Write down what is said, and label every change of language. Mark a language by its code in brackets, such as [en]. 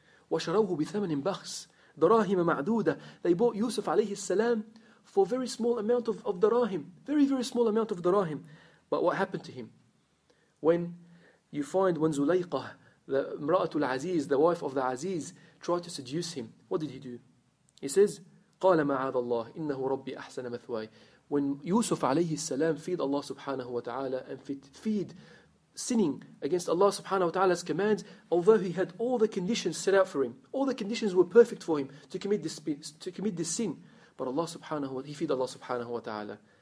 [ar] وَشَرَوْهُ بِثَمَنٍ بَخْسٍ دَرَاهِمَ مَعْدُودَةٍ, [en] they bought Yusuf alayhi salam for very small amount of dirham, very, very small amount of dirham. But what happened to him? When you find when Zulayqa, the Mra'atul Aziz, the wife of the Aziz, tried to seduce him, what did he do? He says, [ar] قَالَ مَعَاذَ اللَّهِ إِنَّهُ رَبِّي أَحْسَنَ مَثْوَايِ. [en] When Yusuf alayhi salam feed Allah subhanahu wa ta'ala and feed sinning against Allah subhanahu wa ta'ala's commands, although he had all the conditions set out for him, all the conditions were perfect for him to commit this sin, but Allah subhanahu wa ta'ala, he feed Allah subhanahu wa ta'ala.